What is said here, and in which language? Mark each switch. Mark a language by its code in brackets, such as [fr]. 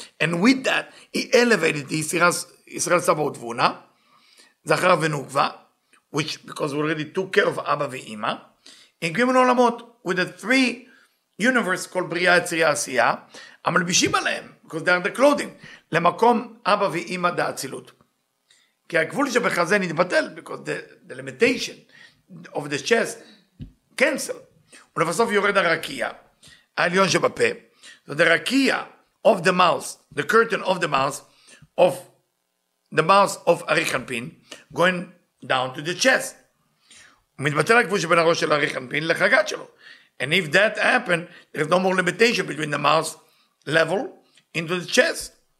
[en] And with that, he elevated ישראל סבור תבונה, [he] זכר ונקבה, [en] which because we already took care of אבא ואימא, [he] עם גימל עולמות [en] with the three universe called בריאה יצירה עשייה, [he] המלבישים עליהם, [en] because they are the clothing, [he] למקום אבא ואימא דאצילות. כי הגבול שבחזה נתבטל, [en] because the limitation of the chest canceled. [he] ולבסוף יורד הרקיע, העליון שבפה. [en] So the rakia of the mouth, the curtain of the mouth, of the mouth of Arichanpin, going down to the chest. [he] ומתבטל הגבול שבין הראש של Arichanpin לחגת שלו. [en] And if that happened, there's no more limitation between the mouth level into the chest.